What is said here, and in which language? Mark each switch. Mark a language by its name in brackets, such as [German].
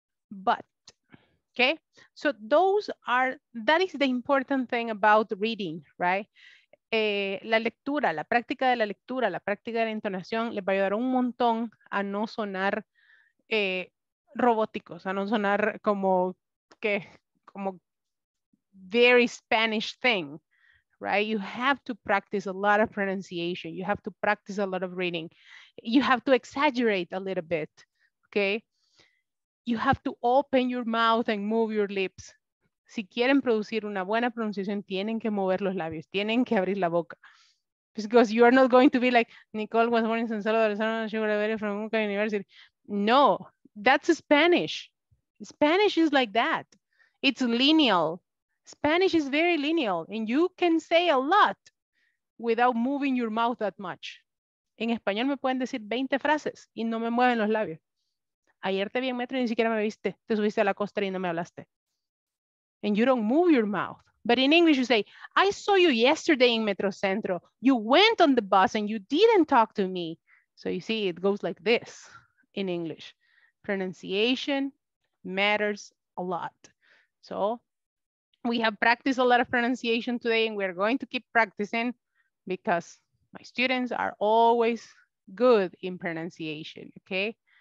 [English] But, okay, so that is the important thing about reading, right? [Spanish] La lectura, la práctica de la lectura, la práctica de la entonación les va a ayudar un montón a no sonar robóticos, a no sonar como [English] very Spanish thing, right? You have to practice a lot of pronunciation. You have to practice a lot of reading. You have to exaggerate a little bit, okay? You have to open your mouth and move your lips. [Spanish] Si quieren producir una buena pronunciación, tienen que mover los labios, tienen que abrir la boca. [English] because you are not going to be like, Nicole was born in San Salvador from UCA University. No, that's Spanish. Spanish is like that. It's lineal. Spanish is very lineal, and you can say a lot without moving your mouth that much. [Spanish] En español me pueden decir 20 frases y no me mueven los labios. Ayer te vi en metro y ni siquiera me viste. Te subiste a la costa y no me hablaste. [English] And you don't move your mouth. But in English you say, I saw you yesterday in Metro Centro. You went on the bus and you didn't talk to me. So you see, it goes like this in English. Pronunciation matters a lot. So we have practiced a lot of pronunciation today and we're going to keep practicing because my students are always good in pronunciation, okay?